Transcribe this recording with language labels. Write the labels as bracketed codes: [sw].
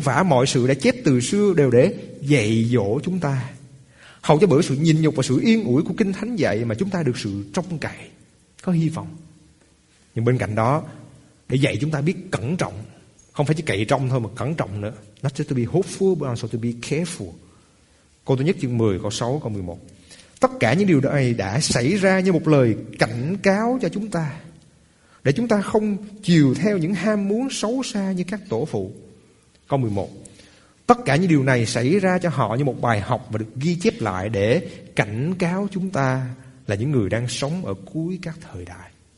[vi] Vả mọi sự đã chép từ xưa đều để dạy dỗ chúng ta, hầu cho bởi sự nhịn nhục và sự yên ủi của Kinh Thánh dạy mà chúng ta được sự trông cậy, có hy vọng. Nhưng bên cạnh đó, để dạy chúng ta biết cẩn trọng, không phải chỉ cậy trong thôi mà cẩn trọng nữa. [en] Not just to be hopeful but also to be careful. [vi] Câu thứ nhất chương 10, câu 6, câu 11. Tất cả những điều này đã xảy ra như một lời cảnh cáo cho chúng ta, để chúng ta không chiều theo những ham muốn xấu xa như các tổ phụ. Câu 11. Tất cả những điều này xảy ra cho họ như một bài học và được ghi chép lại để cảnh cáo chúng ta là những người đang sống ở cuối các thời đại.